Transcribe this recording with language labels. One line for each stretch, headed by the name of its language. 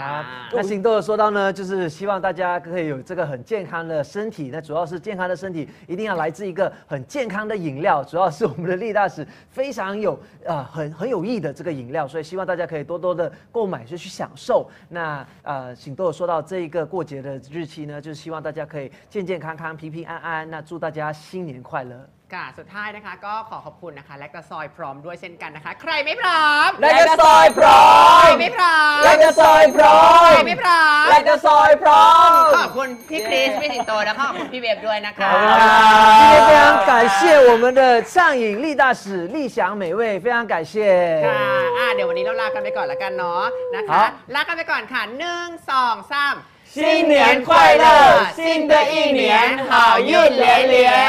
Thai: ครับ
Chinese: 那行动说到呢就是希望大家可以有这个很健康的身体那主要是健康的身体一定要来自一个很健康的饮料主要是我们的力大使非常有很有益的这个饮料所以希望大家可以多多的购买就去享受那行动说到这一个过节的日期呢就是希望大家可以健健康康平平安安那祝大家新年快乐
Thai: ค่ะสุดท้ายนะคะก็ขอขอบคุณนะคะและกระซอยพร้อมด้วยเช่นกันนะคะใครไม่พร้อม และกระซอยพร้อม ใครไม่พร้อม และกระซอยพร้อม ใครไม่พร้อม และกระซอยพร้อม ขอบคุณพี่คริสพี่สิงโตและขอบคุณพี่เวฟด้วยนะคะ ขอบคุณค่ะ
Chinese: 非常感谢我们的畅饮力大使丽翔美味非常感谢
Thai: ค่ะเดี๋ยววันนี้เราลากันไปก่อนละกันเนาะนะคะลากันไปก่อนค่ะ1 2 3
Chinese: 新年快乐新的一年好运连连